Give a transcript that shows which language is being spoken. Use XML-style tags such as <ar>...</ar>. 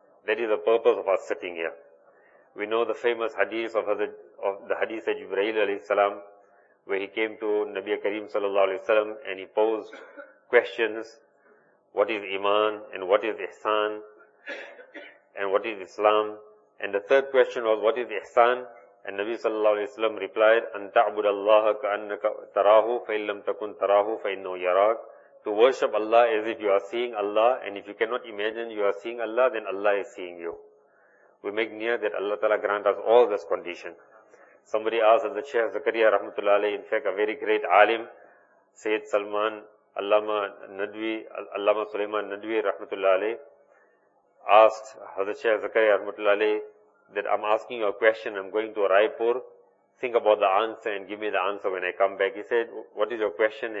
<en>That is the purpose of us sitting here. We know the famous hadith of the hadith of Jibreel alayhi salam, where he came to Nabi Kareem sallallahu alayhi salam and he posed questions, what is iman and what is ihsan and what is Islam? And the third question was, what is ihsan?</en> <ar>And Nabi sallallahu alayhi salam replied, أَن تَعْبُدَ اللَّهَ كَأَنَّكَ تَرَاهُ فَإِن لَمْ تَكُن تَرَاهُ فَإِنَّهُ يَرَاكُ.</ar> <en>To worship Allah as if you are seeing Allah, and if you cannot imagine you are seeing Allah, then Allah is seeing you. We make near that Allah Ta'ala grant us all this condition. Somebody asked the Shaykh Zakariya Rahmatullah Alayhi, in fact a very great alim, Sayyid Salman Allama Sulaiman Nadwi Rahmatullah Alayhi, asked Hazrat Shaykh Zakariya Rahmatullah Alayhi that I'm asking you a question, I'm going to Raipur, think about the answer and give me the answer when I come back. He said, what is your question?</en>